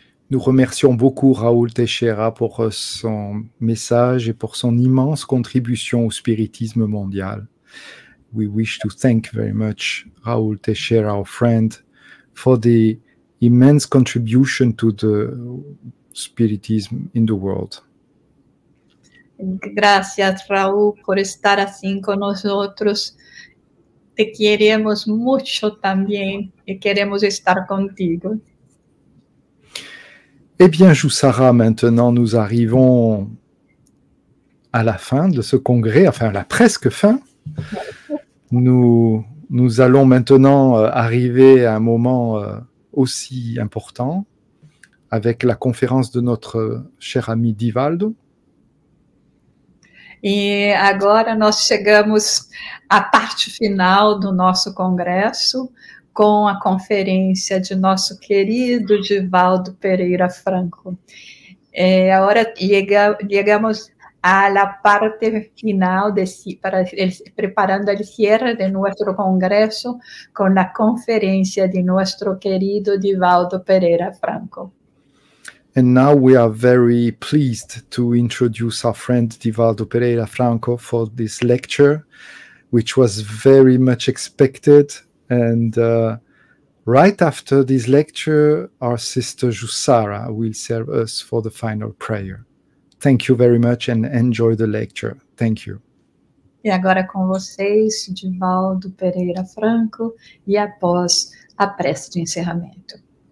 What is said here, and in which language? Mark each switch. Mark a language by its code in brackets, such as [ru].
[fr] Nous remercions beaucoup Raoul Teixeira pour son message et pour son immense contribution au spiritisme mondial. [en] We wish to thank very much Raoul Teixeira, our friend, for the immense contribution to the spiritism in the world. [es] Gracias, Raúl, por estar así con nosotros. Te queremos mucho también y queremos estar contigo. [fr] Eh bien, Joussara, maintenant nous arrivons à la fin de ce congrès, enfin la presque fin. Nous allons maintenant arriver à un moment aussi important avec la conférence de notre cher ami Divaldo. [pt] E agora nós chegamos à parte final do nosso congresso com a conferência de nosso querido Divaldo Pereira Franco. É, agora chegamos à parte final, preparando o [es] cierre [pt] de nosso congresso com a conferência de nosso querido Divaldo Pereira Franco. [en] And now we are very pleased to introduce our friend Divaldo Pereira Franco for this lecture, which was very much expected. And right after this lecture, our sister Jussara will serve us for the final prayer. Thank you very much and enjoy the lecture. Thank you. [pt] E agora com vocês, Divaldo Pereira Franco, e após a prece de encerramento.